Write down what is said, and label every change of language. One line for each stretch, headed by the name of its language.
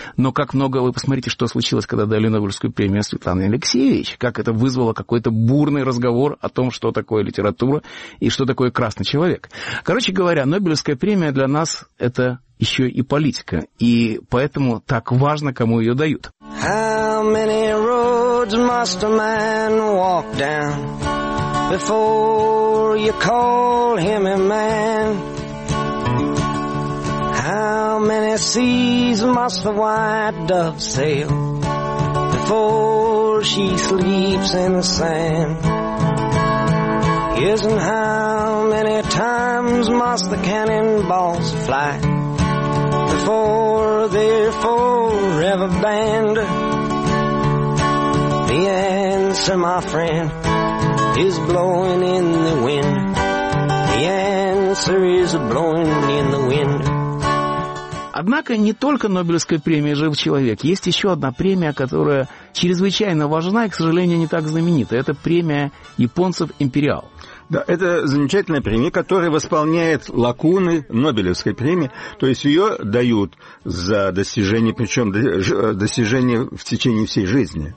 Russian: Но как много, вы посмотрите, что случилось, когда дали Нобелевскую премию Светлане Алексеевич, как это вызвало какой-то бурный разговор о том, что такое литература и что такое красный человек. Короче говоря, Нобелевская премия для нас – это еще и политика, и поэтому так важно, кому ее дают.
English: How many roads must a man walk down before you call him a man? How many seas must the white dove sail before she sleeps in the sand? Isn't how many times must the cannonballs fly before they're forever banned? The answer, my friend, is blowing in the wind. The answer is blowing in the wind.
Russian: Однако не только Нобелевская премия «Жив человек». Есть еще одна премия, которая чрезвычайно важна и, к сожалению, не так знаменита. Это премия японцев «Империал». Да, это замечательная премия, которая восполняет лакуны Нобелевской премии. То есть ее дают за достижения, причем достижения в течение всей жизни.